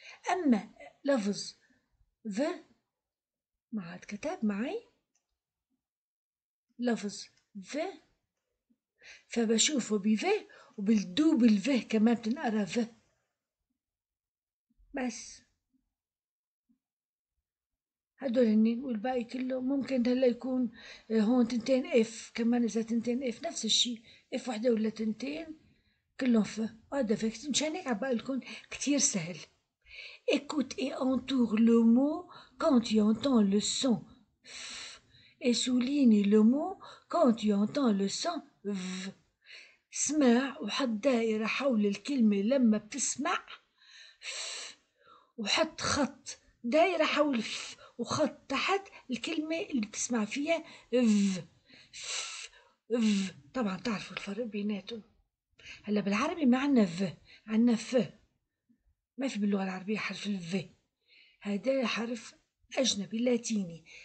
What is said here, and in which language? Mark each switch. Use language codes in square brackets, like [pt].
[ar] اما لفظ ف ما عاد كتب معي لفظ ف, فبشوفه بف وبالدوب الف كمان بتنقرا ف بس. هدول النين والباقي كله ممكن هلا يكون هون تنتين اف، كمان اذا تنتين اف نفس الشيء، اف وحده ولا تنتين كلهم ف، هذا فيكس. مشان هيك عم بقول لكم كثير سهل. [fr] Écoute et entoure le mot quand tu entends le son f et souligne le mot quand tu entends le son v. [ar] اسمع وحط دائرة حول الكلمة لما بتسمع ف، وحط خط دائرة حول ف وخط تحت الكلمة اللي بتسمع فيها ف ف ف. طبعا تعرفوا الفرق بيناتهم. هلا بالعربي ما عنا ف، عنا ف، ما في باللغة العربية حرف الف، هذا حرف أجنبي لاتيني.